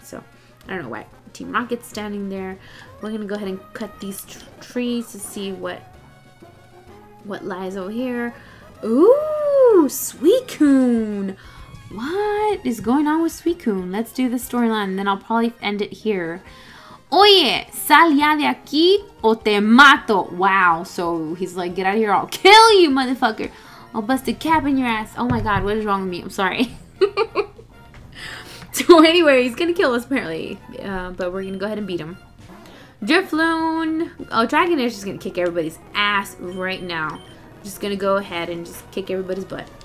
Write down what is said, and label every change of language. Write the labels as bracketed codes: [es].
[en] So, I don't know why Team Rocket's standing there. We're gonna go ahead and cut these trees to see what lies over here. Ooh, Suicune! What is going on with Suicune? Let's do the storyline, then I'll probably end it here. [es] Oye, sal ya de aquí o te mato. [en] Wow, so he's like, get out of here, I'll kill you, motherfucker. I'll bust a cap in your ass. Oh my god, what is wrong with me? I'm sorry. So anyway, he's gonna kill us apparently, but we're gonna go ahead and beat him. Drifloon. Oh, Dragonair's just gonna kick everybody's ass right now. I'm just gonna go ahead and just kick everybody's butt.